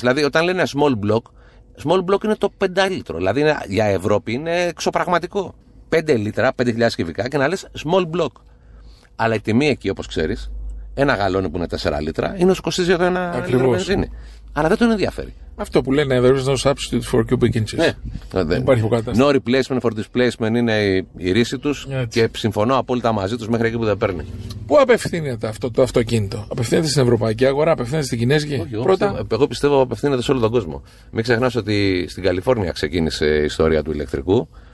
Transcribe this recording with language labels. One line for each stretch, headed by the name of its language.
Greek: Δηλαδή, όταν λένε small block είναι το 5 λίτρο. Δηλαδή, για Ευρώπη είναι εξωπραγματικό. 5 λίτρα, 5.000 κυβικά και να λες small block. Αλλά η τιμή εκεί, όπως ξέρεις, ένα γαλόνι που είναι 4 λίτρα είναι όσο κοστίζει εδώ ένα βενζίνη. Αλλά δεν τον ενδιαφέρει. Αυτό που λένε,
English: there is no substitute for cubic inches.
Greek: Ναι, δεν υπάρχει κατάσταση.
English: No replacement for displacement
Greek: είναι η ρίση τους και συμφωνώ απόλυτα μαζί τους μέχρι εκεί που δεν παίρνει. Πού απευθύνεται αυτό το αυτοκίνητο? Απευθύνεται στην ευρωπαϊκή αγορά, απευθύνεται στην κινέζικη? Εγώ πιστεύω απευθύνεται σε όλο τον κόσμο. Μην ξεχνάς ότι στην Καλιφόρνια ξεκίνησε η ιστορία του ηλεκτρικού.